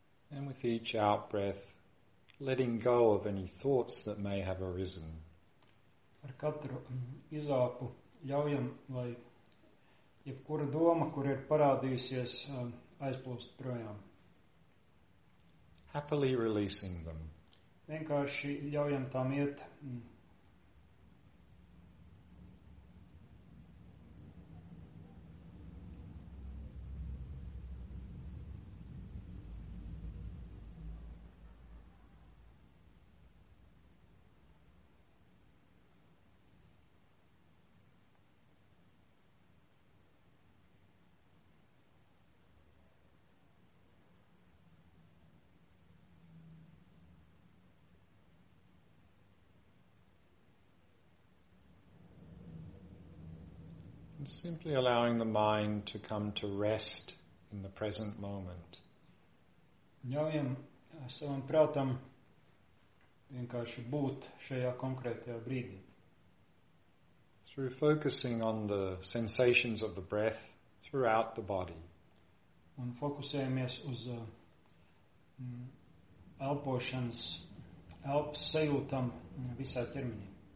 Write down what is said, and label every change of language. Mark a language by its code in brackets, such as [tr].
[en] And with each out-breath, letting go of any thoughts that may have arisen. [lv] Ar katru izelpu ļaujam, lai jebkura doma, kur ir parādījusies, aizplūst projām. [en] Happily releasing them. [lv] Vienkārši ļaujam tām iet. [en] Simply allowing the mind to come to rest in the present moment. [lv] Ļaujam savam prātam vienkārši būt šajā konkrētajā brīdī. [en] Through focusing on the sensations of the breath throughout the body. [lv] Un fokusējamies uz elpošanas, elpas sajūtam visā ķermenī.